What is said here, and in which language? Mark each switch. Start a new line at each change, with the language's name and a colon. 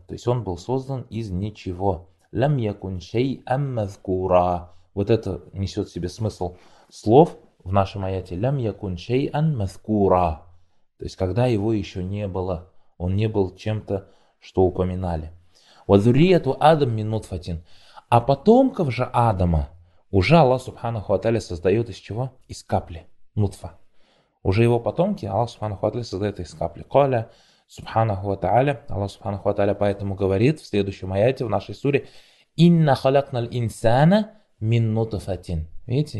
Russian: То есть он был создан из ничего.
Arabic: لَمْ يَكُنْ شَيْئًا مَذْكُورًا.
Russian: Вот это несет в себе смысл слов в нашем аяте.
Arabic: لَمْ يَكُنْ شَيْئًا مَذْكُورًا.
Russian: То есть, когда его еще не было, он не был чем-то, что упоминали.
Arabic: وَذُرِّيَّةُ Адам مِنْ نُطْفَةٍ.
Russian: А потомков же Адама уже Аллах Субханаху Аталя создает из чего? Из капли. Нутфа. Уже его потомки Аллах Субханаху Аталя создает из капли. قَالَ Субханаху Аталя. Аллах Субханаху Аталя поэтому говорит в следующем аяте, в нашей суре.
Arabic: إِنَّ خَلَقْنَ الْإِنسَانَ مِنْ نُطْفَةٍ.
Russian: Видите?